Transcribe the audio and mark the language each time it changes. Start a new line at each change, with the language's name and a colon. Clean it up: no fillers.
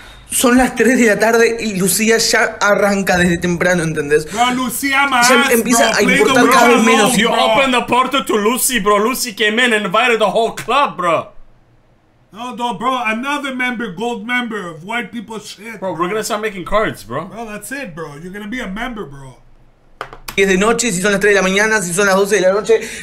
Spanish: Son las 3 de la tarde y Lucía ya arranca desde temprano, ¿entendés? Bro, Lucía, más, ya empieza
English: bro,
Spanish: a importar cada vez menos.
English: You opened the portal to Lucy, bro. Lucy came in and invited the whole club, bro. No, bro, another member, gold member of white people shit. Bro, we're gonna start making cards, bro. Bro, that's it, bro. You're gonna be a member, bro.
Spanish: Si es de noche, si son las 3 de la mañana, si son las 12 de la noche.